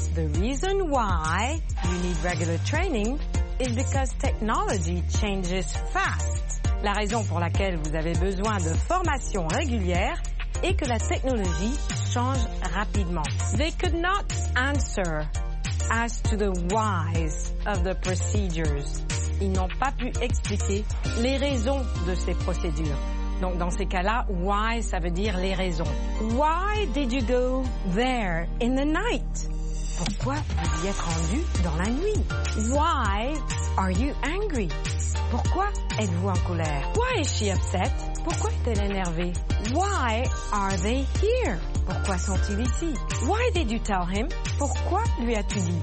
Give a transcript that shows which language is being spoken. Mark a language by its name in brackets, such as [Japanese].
[English] The reason why you need regular training is because technology changes fast. [French] La raison pour laquelle vous avez besoin de formation régulière est que la technologie change rapidement. [English] They could not answer as to the whys of the procedures. [French] Ils n'ont pas pu expliquer les raisons de ces procédures. Donc dans ces cas-là, why, ça veut dire les raisons. [English] Why did you go there in the night? [French] Pourquoi vous y êtes rendu dans la nuit? [English] Why are you angry? [French] Pourquoi êtes-vous en colère? [English] Why is she upset? [French] Pourquoi est-elle énervée? [English] Why are they here? [French] Pourquoi sont-ils ici? [English] Why did you tell him? [French] Pourquoi lui as-tu dit?